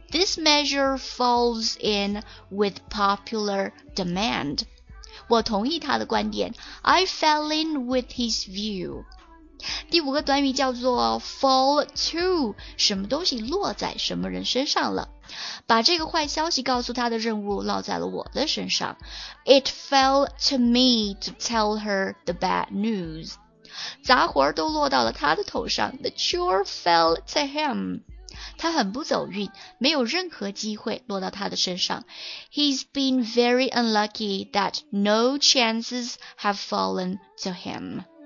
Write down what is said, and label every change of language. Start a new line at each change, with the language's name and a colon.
English: This measure falls in with popular demand.
Chinese: 我同意他的观点。
English: I fell in with his view.
Chinese: 第五个短语叫做 fall to, 什么东西落在什么人身上了。把这个坏消息告诉他的任务落在了我的身上。
English: It fell to me to tell her the bad news.
Chinese: 杂活都落到了他的头上。
English: The chore fell to him.
Chinese: 他很不走运，没有任何机会落到他的身上。
English: He's been very unlucky that no chances have fallen to him.